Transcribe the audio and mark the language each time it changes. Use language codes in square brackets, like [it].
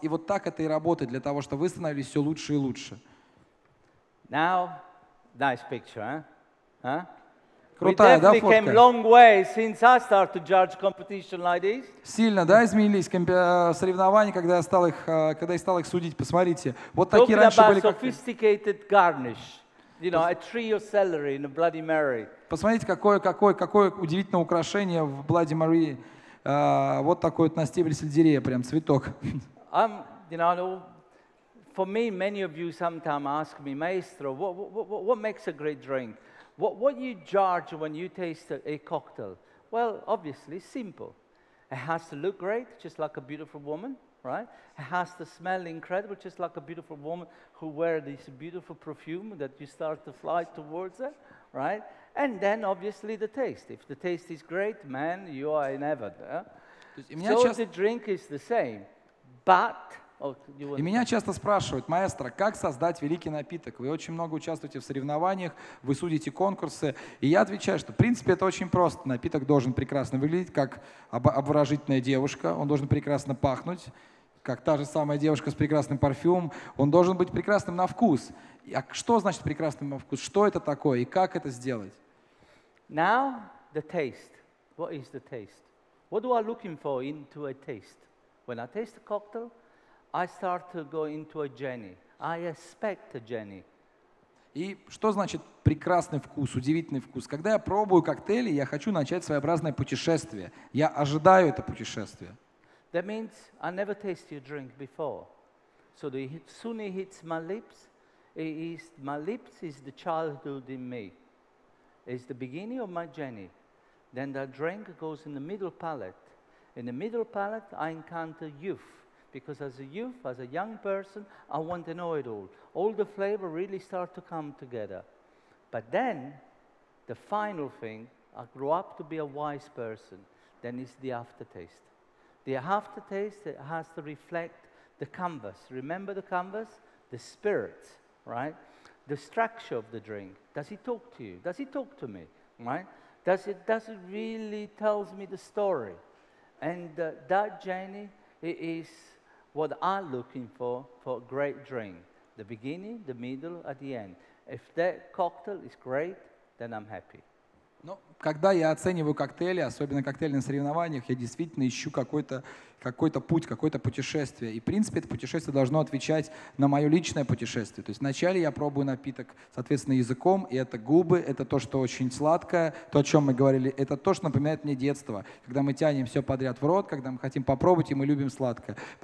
[ru] И вот так это и работает для того, чтобы вы становились все лучше и лучше. [en] Now, nice picture, huh? [ru] Крутая, да, фотка? [en] Came long way since I started to judge competition like this. [ru] Сильно, да, изменились соревнования, когда я стал их, судить. Посмотрите, вот такие раньше были. [en] Sophisticated garnish, you know, a tree of celery in a Bloody Mary. [ru] Посмотрите, какое удивительное украшение в Bloody Mary. Вот такой вот на стебле сельдерея, прям цветок. [en] For me, many of you sometimes ask me, Maestro, what makes a great drink? What you judge when you taste a cocktail? Well, obviously, simple. It has to look great, just like a beautiful woman, right? It has to smell incredible, just like a beautiful woman who wears this beautiful perfume that you start to fly towards her, right? And then, obviously, the taste. If the taste is great, man, you are in heaven. The drink is the same, but... [ru] И меня часто спрашивают, маэстро, как создать великий напиток? Вы очень много участвуете в соревнованиях, вы судите конкурсы. И я отвечаю, что в принципе это очень просто. Напиток должен прекрасно выглядеть, как обворожительная девушка. Он должен прекрасно пахнуть, как та же самая девушка с прекрасным парфюмом. Он должен быть прекрасным на вкус. А что значит прекрасным на вкус? Что это такое и как это сделать? [en] Now the taste. What is the taste? What do I looking for into a taste? When I taste a cocktail, I start to go into a journey. I expect a journey. [ru] И что значит прекрасный вкус, удивительный вкус? Когда я пробую коктейли, я хочу начать своеобразное путешествие. Я ожидаю это путешествие. [en] That means I never tasted your drink before. So soon it hits my lips. My lips is the childhood in me. It's the beginning of my journey. Then that drink goes in the middle palate. In the middle palate, I encounter youth. Because as a youth, as a young person, I want to know it all. All the flavor really start to come together. But then, the final thing, I grow up to be a wise person, then is the aftertaste. The aftertaste has to reflect the canvas. Remember the canvas? The spirit, right? The structure of the drink. Does it talk to you? Does it talk to me, right? Does it really tells me the story? And that journey, it is... What I'm looking for a great drink. The beginning, the middle, at the end. If that cocktail is great, then I'm happy. [ru] Ну, когда я оцениваю коктейли, особенно коктейли на соревнованиях, я действительно ищу какой-то путь, какое-то путешествие. И, в принципе, это путешествие должно отвечать на мое личное путешествие. То есть вначале я пробую напиток, соответственно, языком, и это губы, это то, что очень сладкое, то, о чем мы говорили, это то, что напоминает мне детство, когда мы тянем все подряд в рот, когда мы хотим попробовать, и мы любим сладкое.